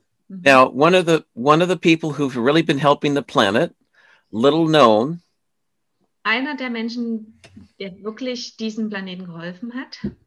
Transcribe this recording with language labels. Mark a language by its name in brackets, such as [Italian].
[English] Mhm. Now, one of the people who've really been helping the planet, little known. [German] Einer der Menschen, der wirklich diesem Planeten geholfen hat,